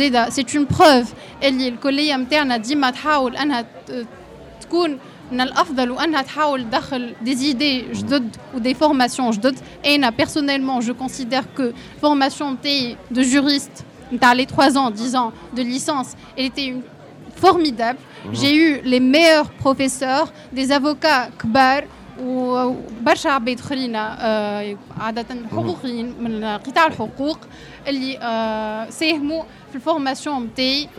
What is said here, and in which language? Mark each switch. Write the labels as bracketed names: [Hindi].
[French] C'est une preuve [Arabic] اللي الكليه نتاعنا ديما تحاول انها تكون من الافضل وانها تحاول تدخل [French] des idées [Arabic] جدد و [French] des formations [Arabic] جدد. [French] et انا personnellement je considère que formation de juriste نتاع les 3 ans 10 ans de licence elle était une formidable. J'ai eu les meilleurs professeurs, des avocats [Arabic] كبار و برشا عباد اخرين عاده حقوقيين من قطاع الحقوق اللي ساهموا في الفورماسيون نتاعي